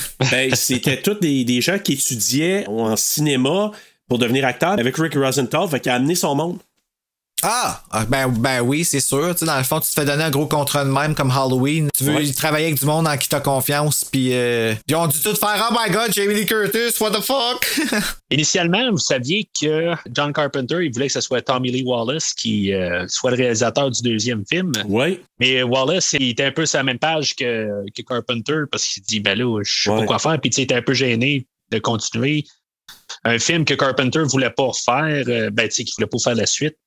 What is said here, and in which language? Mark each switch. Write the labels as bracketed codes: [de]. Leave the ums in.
[fr] ben, c'était tous des, des, gens qui étudiaient en cinéma pour devenir acteurs avec Rick Rosenthal, qui a amené son monde. Ah, ben, ben oui, c'est sûr. Tu sais, dans le fond, tu te fais donner un gros contrat de même comme Halloween. Tu veux ouais. travailler avec du monde en qui t'as confiance, puis euh, ils ont dû tout faire. [en] Oh my God, Jamie Lee Curtis, what the fuck? [fr] Initialement, vous saviez que John Carpenter, il voulait que ce soit Tommy Lee Wallace qui euh, soit le réalisateur du deuxième film. Oui. Mais Wallace, il était un peu sur la même page que, que Carpenter parce qu'il dit, ben là, je sais pas ouais. quoi faire. Puis il était un peu gêné de continuer un film que Carpenter voulait pas faire, ben, tu sais, qu'il voulait pas faire la suite.